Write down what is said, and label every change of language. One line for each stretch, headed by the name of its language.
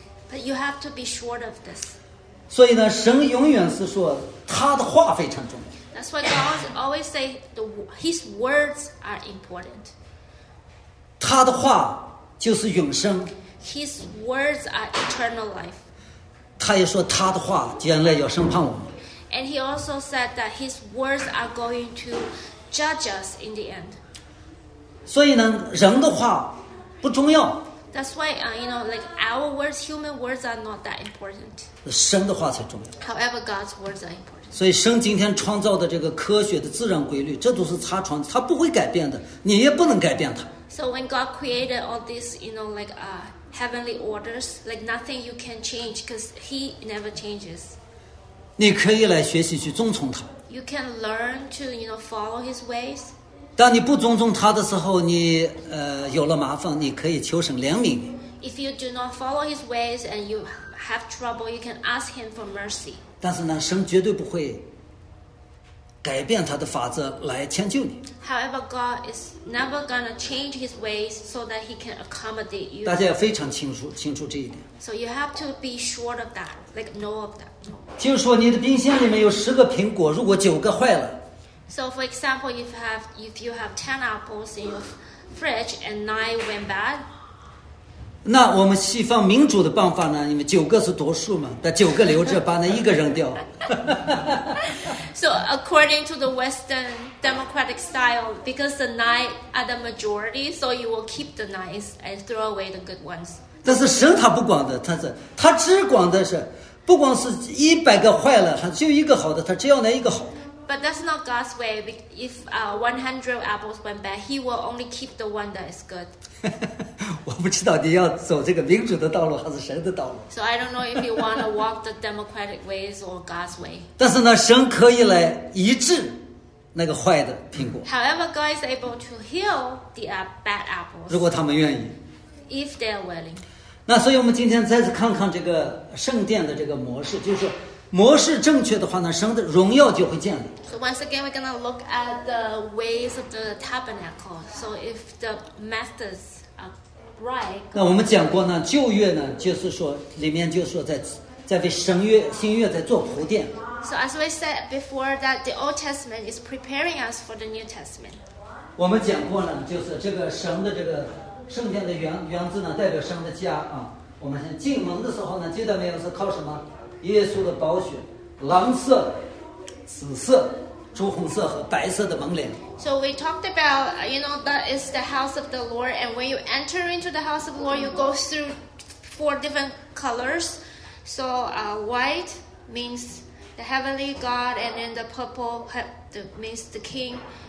English: But you have to be sure of this.
Chinese: 所以呢，神永远是说他的话非常重要。
English: That's why God always say His words are important.
Chinese: 他的话。就是永生。
English: His words are eternal life.
Chinese: 他也说他的话将来要审判我们。
English: And he also said that his words are going to judge us in the end.
Chinese: 所以呢，人的话不重要。
English: That's why, you know, like our words, human words are not that important.
Chinese: 神的话才重要。
English: However, God's words are important.
Chinese: 所以神今天创造的这个科学的自然规律，这都是他创造，他不会改变的，你也不能改变他。
English: So when God created all these, you know, like heavenly orders, like nothing you can change because He never changes.
Chinese: 你可以来学习去遵从他。
English: You can learn to, you know, follow His ways.
Chinese: 当你不遵从他的时候，你有了麻烦，你可以求神怜悯。
English: If you do not follow His ways and you have trouble, you can ask Him for mercy.
Chinese: 但是呢，神绝对不会。改变他的法则来迁就你。
English: However, God is never gonna change His ways so that He can accommodate you.
Chinese: 大家要非常清楚这一点。
English: So you have to be sure of that, like know of that.
Chinese: 听说你的冰箱里面有十个苹果，如果九个坏了。
English: So for example, if you have 10 apples in your fridge and 9 went bad.
Chinese: 那我们西方民主的办法呢？因为九个是多数嘛，那九个留着，把那一个扔掉。
English: So according to the Western democratic style, because the 9 are the majority, so you will keep the 9 and throw away the good ones.
Chinese: 但是神他不管的，他只管的是，不管是100个坏了，就一个好的，他只要那一个好的。
English: But that's not God's way. If 100 apples went bad, He will only keep the one that is good.
Chinese: 我不知道你要走这个民主的道路还是神的道路。
English: So I don't know if you want to walk the democratic ways or God's way.
Chinese: 但是呢，神可以来医治那个坏的苹果。
English: However, God is able to heal the bad apples.
Chinese: 如果他们愿意。
English: If they are willing.
Chinese: 那所以我们今天再次看看这个圣殿的这个模式，就是模式正确的话呢，神的荣耀就会建立。
English: So once again, we're gonna look at the ways of the tabernacle. So if the masters.
Chinese: 那我们讲过呢，旧约呢，就是说里面就是说在为神约新约在做铺垫。
English: So as we said before that the Old Testament is preparing us for the New Testament.
Chinese: 我们讲过呢，就是这个神的这个圣殿的原字呢，代表神的家啊。我们先进门的时候呢，记得没有是靠什么？耶稣的宝血，蓝色、紫色、朱红色和白色的门帘。
English: So we talked about, you know, that is the house of the Lord. And when you enter into the house of the Lord, you go through four different colors. So white means the heavenly God. And then the purple means the king.